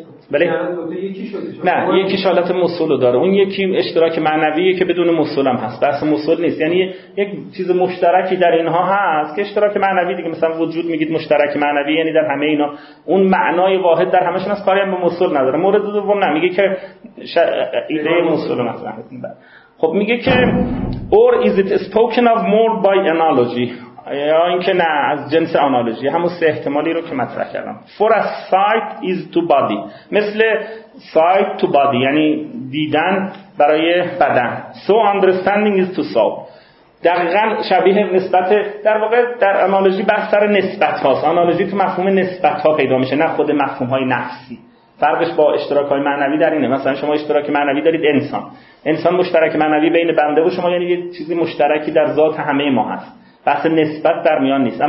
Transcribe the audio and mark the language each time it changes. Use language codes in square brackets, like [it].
[fa] بله نه یکیش حالت مسئول داره، اون یکی اشتراک معنویه که بدون مسئول هم هست، بس مسئول نیست، یعنی یک چیز مشترکی در اینها هست که اشتراک معنوی دیگه، مثلا وجود میگید مشترک معنوی، یعنی در همه اینا اون معنای واحد در همشون هست، کاری هم به مسئول نداره. مورد دوم نمیگه که ایده مسئول مثلا. خب میگه که [en] or is it spoken of more by analogy، [fa] یا اینکه نه از جنس آنالوژی، همون سه احتمالی رو که مطرح کردم. [en] For a sight is to body، مثل sight to body، [fa] یعنی دیدن برای بدن. [en] So understanding is to soul، [fa] دقیقا شبیه نسبت، در واقع در آنالوژی بحث سر نسبت هاست. آنالوژی تو مفهوم نسبت ها پیدا میشه، نه خود مفهوم های نفسی. فرقش با اشتراک های معنوی در اینه، مثلا شما اشتراک معنوی دارید انسان، انسان مشترک معنوی بین بنده و شما، یعنی یه چیزی مشترکی در ذات همه ما هست، بحث نسبت در میان نیست.